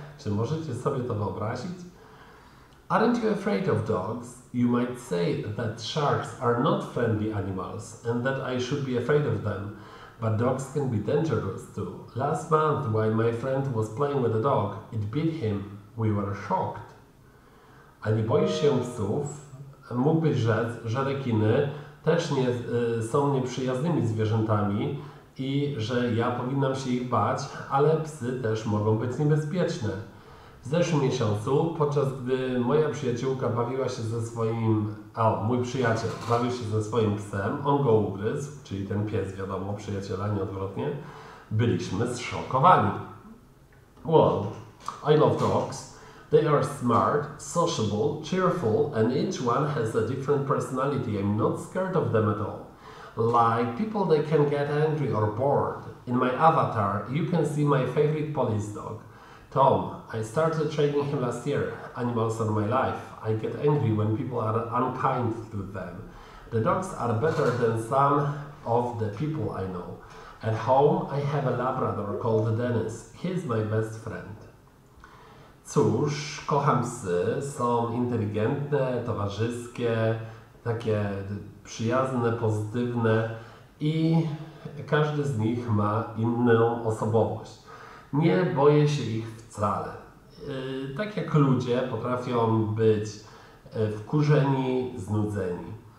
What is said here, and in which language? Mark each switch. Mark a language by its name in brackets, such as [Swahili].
[Polish] Czy możecie sobie to wyobrazić? [English] Aren't you afraid of dogs? You might say that sharks are not friendly animals and that I should be afraid of them. But dogs can be dangerous too. Last month, while my friend was playing with a dog, it bit him. We were shocked. [Polish] A nie boisz się psów? Mógłbyś rzec, że rekiny też nie są nieprzyjaznymi zwierzętami i że ja powinnam się ich bać, ale psy też mogą być niebezpieczne. W zeszłym miesiącu, podczas gdy moja przyjaciółka bawiła się ze swoim... mój przyjaciel bawił się ze swoim psem, on go ugryzł, czyli ten pies, wiadomo, przyjaciela, nie odwrotnie. Byliśmy zszokowani. [English] Well, I love dogs. They are smart, sociable, cheerful and each one has a different personality. I'm not scared of them at all. Like people, they can get angry or bored. In my avatar, you can see my favorite police dog. Tom, I started training him last year. Animals are my life. I get angry when people are unkind to them. The dogs are better than some of the people I know. At home I have a Labrador called Dennis. He's my best friend. [Polish] Cóż, kocham psy. Są inteligentne, towarzyskie, takie przyjazne, pozytywne i każdy z nich ma inną osobowość. Nie boję się ich wcale. Tak jak ludzie potrafią być wkurzeni, znudzeni.